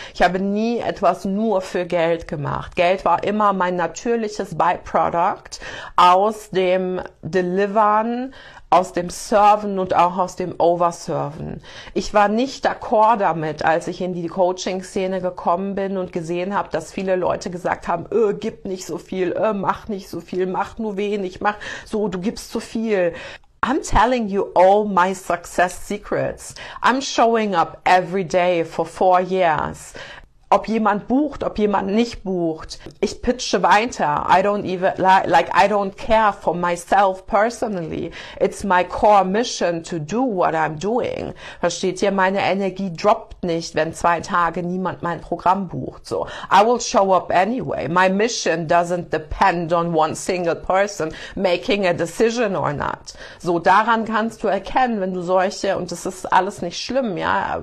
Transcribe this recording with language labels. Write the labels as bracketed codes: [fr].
[de] Ich habe nie etwas nur für Geld gemacht. Geld war immer mein natürliches Byproduct aus dem Delivern, aus dem Serven und auch aus dem Overserven. Ich war nicht d'accord damit, als ich in die Coaching-Szene gekommen bin und gesehen habe, dass viele Leute gesagt haben, gib nicht so viel, mach nicht so viel, mach nur wenig, mach so, du gibst zu viel. [en] I'm telling you all my success secrets. I'm showing up every day for 4 years. [de] Ob jemand bucht, ob jemand nicht bucht. Ich pitche weiter. [en] I don't even, like, I don't care for myself personally. It's my core mission to do what I'm doing. [de] Versteht ihr? Meine Energie droppt nicht, wenn 2 Tage niemand mein Programm bucht. [en] So. I will show up anyway. My mission doesn't depend on one single person making a decision or not. [de] So, daran kannst du erkennen, wenn du solche, und das ist alles nicht schlimm, ja.